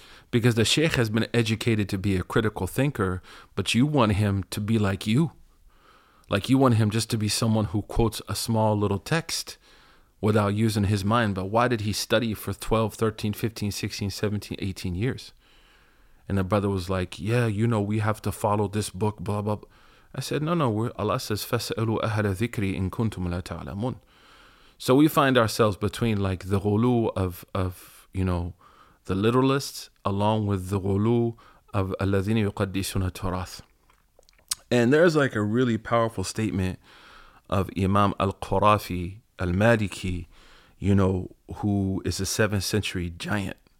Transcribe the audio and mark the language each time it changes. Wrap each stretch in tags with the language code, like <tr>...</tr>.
<en>Because the sheikh has been educated to be a critical thinker, but you want him to be like you. Like, you want him just to be someone who quotes a small little text without using his mind. But why did he study for 12, 13, 15, 16, 17, 18 years? And the brother was like, yeah, you know, we have to follow this book, blah, blah, blah.</en> <ar>I said, no, Allah says, فَاسْأَلُوا أَهَلَ ذِكْرِ إِن كُنْتُمْ لَا تَعْلَمُونَ.</ar> <en>So we find ourselves between like the ghulu of you know, the literalists, along with the ghulu of</en> <ar>الَّذِينَ يُقَدِّسُونَ التُّرَاثِ.</ar> <en>And there's like a really powerful statement of Imam Al-Qurafi Al-Maliki, you know, who is a 7th century giant.</en>